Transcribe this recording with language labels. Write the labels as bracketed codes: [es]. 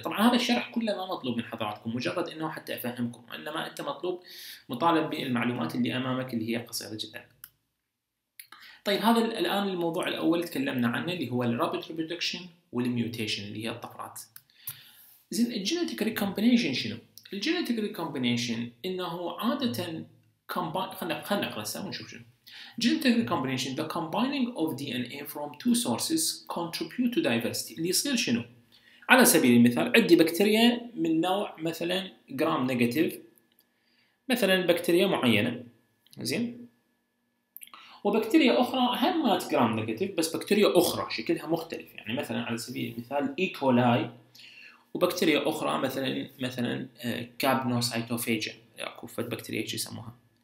[ar] طبعاً هذا الشرح كله ما مطلوب من حضراتكم، مجرد إنه حتى أفهمكم، إنما أنت مطلوب مطالب بالمعلومات اللي أمامك اللي هي قصيرة جداً. طيب هذا الآن الموضوع الأول تكلمنا عنه اللي هو الرابيد ريبرودكشن والميوتيشن اللي هي الطفرات. زين الجينيتيك ريكومبينيشن شنو؟ الجينيتيك ريكومبينيشن انه عادة خلنا نقرا سوا ونشوف شنو. [en] Genetic recombination the combining of DNA from two sources contribute to diversity. [ar] اللي يصير شنو؟ على سبيل المثال عندي بكتيريا من نوع مثلا جرام نيجاتيف، مثلا بكتيريا معينة، زين؟ وبكتيريا اخرى هم مات جرام نيجاتيف بس بكتيريا اخرى شكلها مختلف، يعني مثلا على سبيل المثال ايكولاي وبكتيريا اخرى مثلا كابنوسايتوفاجا، اكو فد بكتيريا ايش يسموها.